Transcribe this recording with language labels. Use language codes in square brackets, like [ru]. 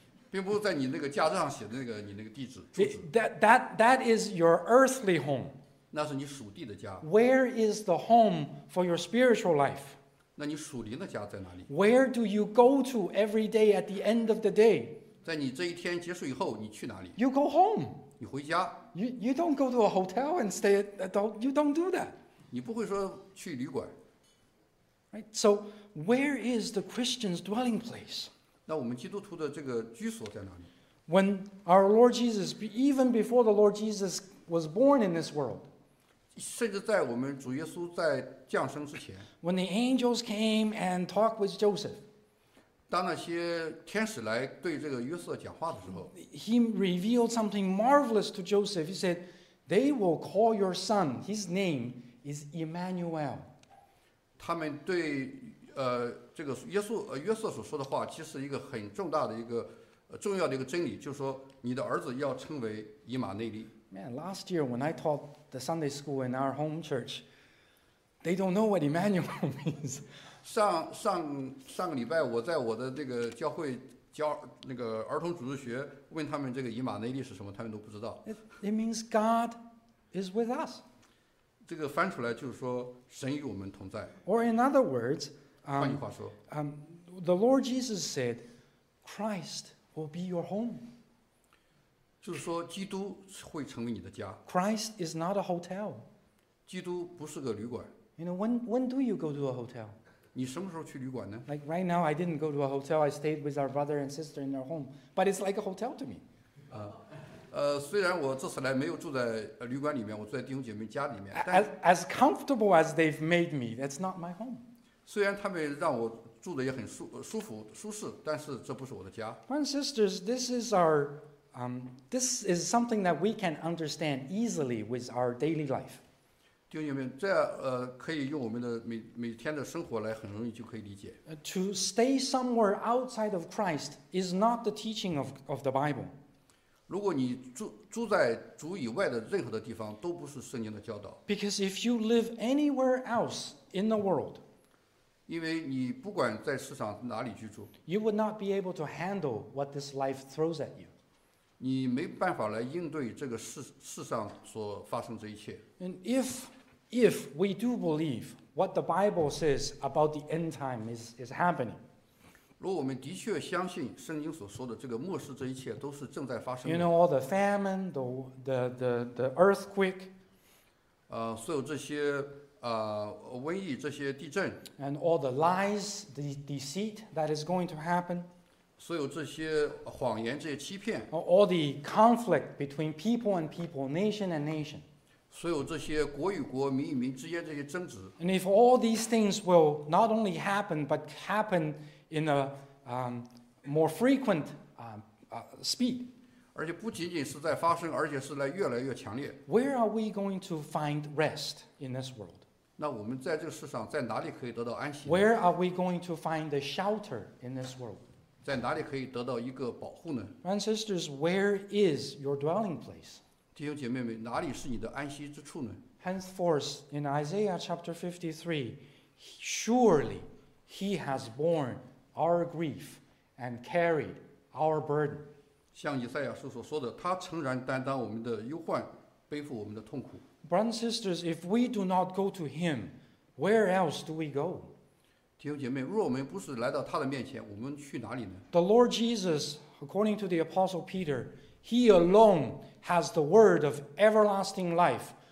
[zh] 并不是在你那个驾照上写的那个你那个地址住址 [en] That is your earthly home. [zh] 那是你属地的家 [en] Where is the home for your spiritual life? [zh] 那你属灵的家在哪里 [en] ？Where do you go to every day at the end of the day？ [zh] 在你这一天结束以后，你去哪里 [en] ？You go home。 [zh] 你回家。 [en] You don't go to a hotel and stay at home. You don't do that。 [zh] 你不会说去旅馆。 [en] Right. So where is the Christian's dwelling place？ [zh] 那我们基督徒的这个居所在哪里 [en] ？When our Lord Jesus, even before the Lord Jesus was born in this world。 [zh] 甚至在我们主耶稣在降生之前 [en] ，When the angels came and talked with Joseph， [zh] 当那些天使来对这个约瑟讲话的时候 [en] ，He revealed something marvelous to Joseph. He said, "They will call your son. His name is Emmanuel." [zh] 他们对这个约瑟所说的话，其实一个很重大的一个重要的一个真理，就是说你的儿子要称为以马内利。 [en] Man, last year when I taught the Sunday school in our home church, they don't know what Emmanuel means. [zh] 上个礼拜我在我的这个教会教那个儿童主日学，问他们这个以马内利是什么，他们都不知道。 [en] It means God is with us. [zh] 这个翻出来就是说神与我们同在。 [en] Or in other words, [zh] 换句话说 [en] the Lord Jesus said, Christ will be your home. [zh] 就是说基督会成为你的家。 [en] Christ is not a hotel. [zh] 基督不是个旅馆。 [en] You know, when do you go to a hotel? [zh] 你什么时候去旅馆呢 [en] ?Like right now, I didn't go to a hotel. I stayed with our brother and sister in their home. But it's like a hotel to me. [zh] 虽然我这次来没有住在旅馆里面，我住在弟兄姐妹家里面。 [en] As comfortable as they've made me, that's not my home. [zh] 虽然他们让我住的也很 舒服舒适，但是这不是我的家。 [en] My sisters, this is our, this is something that we can understand easily with our daily life. [zh] 弟兄姐妹，这可以用我们的每天的生活来很容易就可以理解。 [en] To stay somewhere outside of Christ is not the teaching of the Bible. [zh] 如果你 住在主以外的任何的地方，都不是圣经的教导。 [en] Because if you live anywhere else in the world, [zh] 因为你不管在世上哪里居住 [en] ，you would not be able to handle what this life throws at you. [zh] 你没办法来应对这个世上所发生这一切。 [en] And if we do believe what the Bible says about the end time is happening. [zh] 如果我们的确相信圣经所说的这个末世这一切都是正在发生的 [en] ，You know all the famine, the earthquake, [zh] 所有这些瘟疫、这些地震 [en] ，And all the lies, the deceit that is going to happen, [zh] 所有这些谎言、这些欺骗 [en] ，All the conflict between people and people, nation and nation, [zh] 所有这些国与国、民与民之间这些争执 [en] ，And if all these things will not only happen but happenin a more frequent speed. [zh] 而且不仅仅是在发生，而且是来越来越强烈。 [en] Where are we going to find rest in this world? [zh] 那我们在这个世上在哪里可以得到安息呢？ [en] Where are we going to find a shelter in this world? [zh] 在哪里可以得到一个保护呢？ [en] Brothers and sisters, where is your dwelling place? [zh] 弟兄姐妹们，哪里是你的安息之处呢？ [en] Henceforth, in Isaiah chapter 53, surely. He has borne our grief and carried our burden. [zh] 像以赛亚书所说的，他诚然担当我们的忧患，背负我们的痛苦。 [en] Brothers and sisters, if we do not go to him, where else do we go? [zh] 弟兄姐妹，若我们不是来到他的面前，我们去哪里呢？ [en] The Lord Jesus, according to the Apostle Peter, he alone has the word of everlasting life.